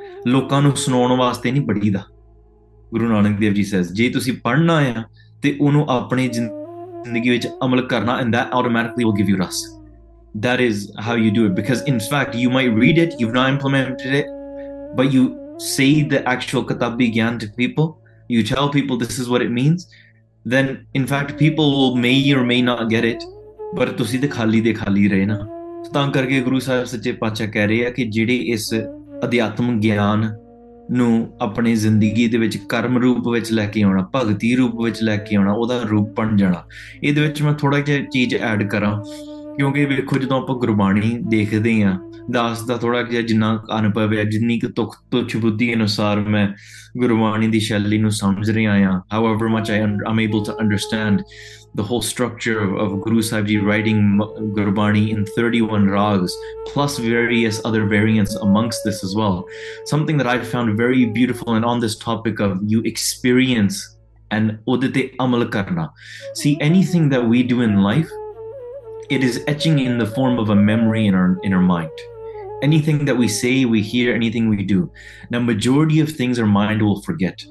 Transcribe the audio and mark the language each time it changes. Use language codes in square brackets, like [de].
[pa] Lokan nu sunaun vaste nahi padhida. [en] Guru Nanak Dev Ji says, [pa] je tusi padhna hai te onu apne zindagi vich amal karna, [en] and that automatically will give you ras. That is how you do it. Because in fact, you might read it, you've not implemented it, but you say the actual katabi gyan to people, you tell people this is what it means, then in fact people will may or may not get it. [pa] ਪਰ ਤੁਸੀਂ ਤੇ ਖਾਲੀ ਦੇ ਖਾਲੀ ਰਹੇ ਨਾ ਤਾਂ ਕਰਕੇ ਗੁਰੂ ਸਾਹਿਬ ਸੱਚੇ ਪਾਤਸ਼ਾਹ ਕਹਿ ਰਹੇ ਆ ਕਿ ਜਿਹੜੇ ਇਸ ਅਧਿਆਤਮ ਗਿਆਨ ਨੂੰ ਆਪਣੇ ਜ਼ਿੰਦਗੀ ਦੇ ਵਿੱਚ ਕਰਮ ਰੂਪ ਵਿੱਚ ਲੈ ਕੇ ਆਉਣਾ, ਭਗਤੀ ਰੂਪ ਵਿੱਚ ਲੈ ਕੇ ਆਉਣਾ, ਉਹਦਾ ਰੂਪ ਬਣ ਜਾਣਾ। ਇਹਦੇ ਵਿੱਚ ਮੈਂ ਥੋੜ੍ਹਾ ਜਿਹਾ ਚੀਜ਼ ਐਡ ਕਰਾਂ, ਕਿਉਂਕਿ ਵੇਖੋ ਜਦੋਂ ਆਪਾਂ ਗੁਰਬਾਣੀ ਦੇਖਦੇ ਹਾਂ, ਦਾਸ ਦਾ ਥੋੜ੍ਹਾ ਜਿਹਾ ਜਿੰਨਾ ਅਨੁਭਵ ਹੈ, ਜਿੰਨੀ ਕੁ ਤੁਖ ਤੁਛ ਬੁੱਧੀ ਅਨੁਸਾਰ ਮੈਂ ਗੁਰਬਾਣੀ ਦੀ ਸ਼ੈਲੀ ਨੂੰ ਸਮਝ ਰਿਹਾ ਹਾਂ, [en] However much I am able to understand the whole structure of Guru Sahib Ji writing Gurbani in 31 ragas, plus various other variants amongst this as well. Something that I found very beautiful, and on this topic of you experience and [pa] odite amal karna. [en] See, anything that we do in life, it is etching in the form of a memory in our mind. Anything that we say, we hear, anything we do. Now, majority of things our mind will forget.